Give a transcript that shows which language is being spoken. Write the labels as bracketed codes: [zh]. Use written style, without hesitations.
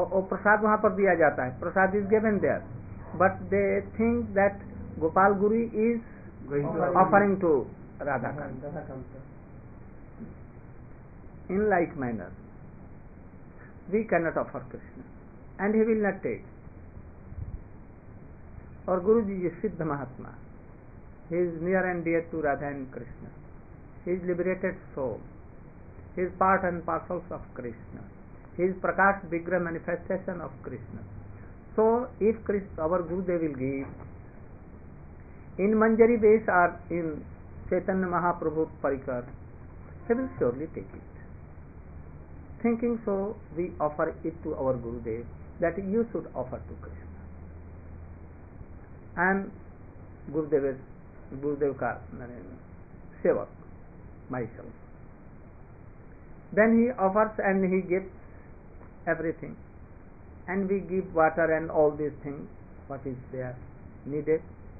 [hi] Prasad wahan par diya jata hai. [en] Prasad is given there. But they think that Gopal Guru is offering to Radha-kanta. In like manner, we cannot offer Krishna, and he will not take. [hi] और गुरु जी ये सिद्ध महात्मा, [en] He is near and dear to Radha and Krishna, he is liberated soul, he is part and parcel of Krishna, he is प्रकाश विग्रह manifestation of Krishna. So if Krishna our Gurudev will give in मंजरी base are in Chaitanya Mahaprabhu परिकर, he will surely take it. Thinking so, we offer it to our Gurudev that you should offer to Krishna. And Gurudev is [hi] Gurudev ka sevak, [en] myself. Then he offers and he gives everything. And we give water and all these things, what is there needed.